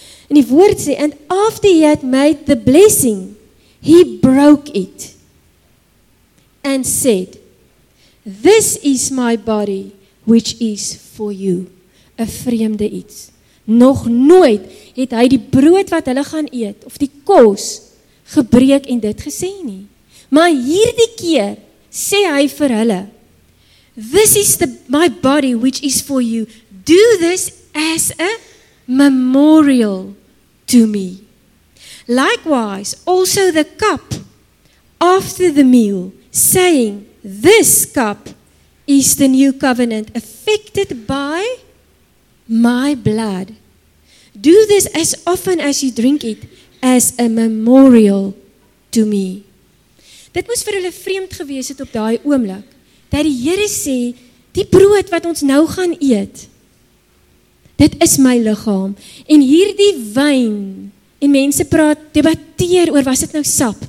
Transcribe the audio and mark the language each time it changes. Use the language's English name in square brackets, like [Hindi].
[Afrikaans] en die woord sê, [English] and after he had made the blessing, he broke it, and said, this is my body, which is for you, [Afrikaans] a vreemde iets. Nog nooit het hy die brood wat hulle gaan eet, of die kos, gebreek en dit gesê nie. Maar hierdie keer sê hy vir hulle, [English] this is my body which is for you. Do this as a memorial to me. Likewise, also the cup after the meal, saying, this cup is the new covenant affected by my blood. Do this as often as you drink it, as a memorial to me. [Afrikaans] Dit moes vir hulle vreemd gewees het op daai oomblik, dat die Here sê, die brood wat ons nou gaan eet, dit is my liggaam, en hierdie wyn, en mense praat, debatteer oor, was dit nou sap?